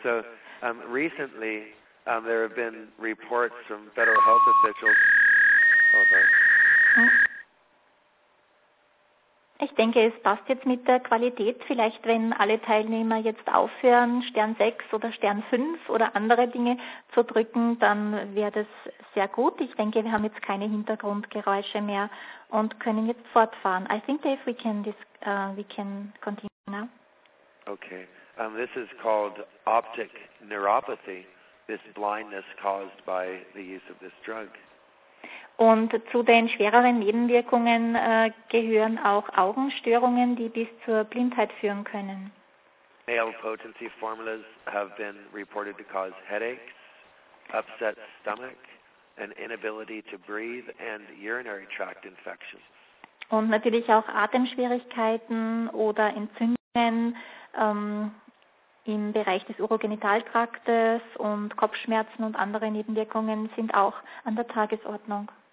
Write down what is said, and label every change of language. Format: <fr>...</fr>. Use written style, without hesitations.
<en>So recently there have been reports from federal health officials.</en> <de>Ich denke, es passt jetzt mit der Qualität. Vielleicht, wenn alle Teilnehmer jetzt aufhören, *6 oder *5 oder andere Dinge zu drücken, dann wäre das sehr gut. Ich denke, wir haben jetzt keine Hintergrundgeräusche mehr und können jetzt fortfahren.</de> <en>I think, Dave, we can continue now. Okay. This is called optic neuropathy, this blindness caused by the use of this drug.</en> <de>Und zu den schwereren Nebenwirkungen gehören auch Augenstörungen, die bis zur Blindheit führen können.</de> <en>Male potency formulas have been reported to cause headaches, upset stomach, an inability to breathe and urinary tract infections.</en> <de>Und natürlich auch Atemschwierigkeiten oder Entzündungen im Bereich des Urogenitaltraktes und Kopfschmerzen und andere Nebenwirkungen sind auch an der Tagesordnung.</de>